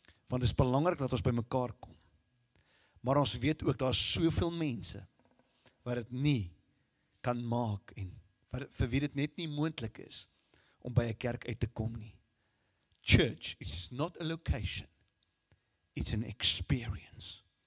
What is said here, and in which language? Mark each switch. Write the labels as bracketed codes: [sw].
[af] Want het is belangrijk dat ons by mekaar kom. Maar ons weet ook, daar is soveel mense waar het nie kan maak en vir wie dit net nie moontlik is om by 'n kerk uit te kom nie. [en] Church is not a location, it's an experience.